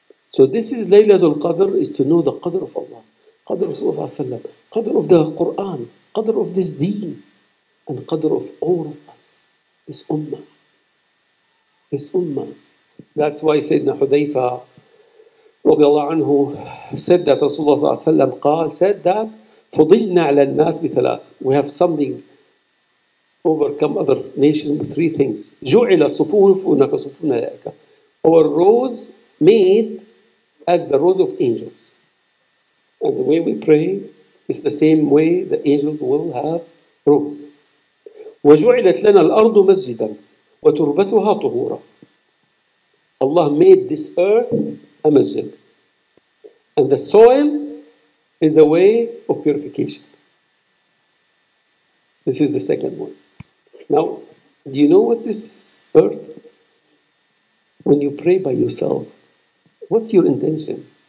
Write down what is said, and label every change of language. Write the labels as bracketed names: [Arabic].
[English] So this is Laylatul Qadr, is to know the Qadr of Allah, Qadr of Sallallahu Alaihi Wasallam, Qadr of the Quran, Qadr of this deen, and Qadr of all of us, this ummah. This ummah. That's why Sayyidina Hudhayfa رضي الله عنه said that Rasulullah صلى الله عليه وسلم قال said that [Arabic] فضلنا على الناس بثلاث. [English] We have something overcome other nations with three things. [Arabic] جعل صفوفنا كصفوف الملائكة. [English] Our rows made as the rows of angels. And the way we pray is the same way the angels will have rows. [Arabic] وجعلت لنا الأرض مسجدا وتربتها طهورا. [English] Allah made this earth a masjid. And the soil is a way of purification. This is the second one. Now, do you know what's this earth? When you pray by yourself, what's your intention?